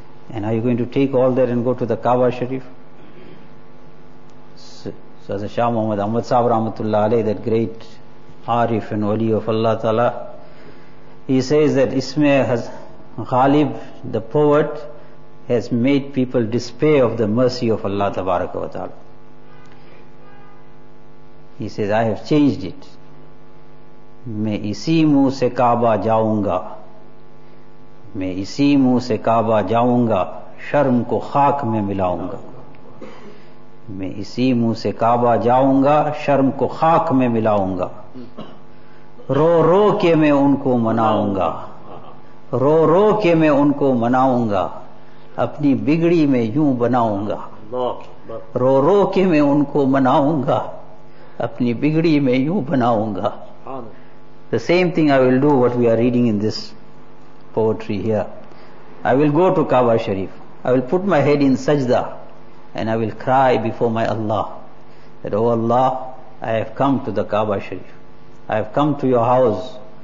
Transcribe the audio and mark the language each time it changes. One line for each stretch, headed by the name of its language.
English: And are you going to take all that and go to the Kaaba Sharif? So as Shah Muhammad Ahmad Sahib Rahmatullah Alayh, that great Arif and Wali of Allah Ta'ala, he says that Isme has Ghalib, the poet, has made people despair of the mercy of Allah Tabaraka wa Ta'ala. He says, I have changed it.
Urdu: میں اسی منہ سے کعبہ جاؤں گا، میں اسی منہ سے کعبہ جاؤں گا، شرم کو خاک میں ملاؤں گا، میں اسی منہ سے کعبہ جاؤں گا، شرم کو خاک میں ملاؤں گا، رو رو کے میں ان کو مناؤں گا، رو رو کے میں ان کو مناؤں گا، اپنی بگڑی میں یوں بناؤں گا، رو رو کے میں ان کو مناؤں گا، اپنی بگڑی میں یوں بناؤں گا.
English: The same thing I will do, what we are reading in this poetry here. I will go to Kaaba Sharif. I will put my head in sajda and I will cry before my Allah that, "Oh Allah, I have come to the Kaaba Sharif. I have come to your house.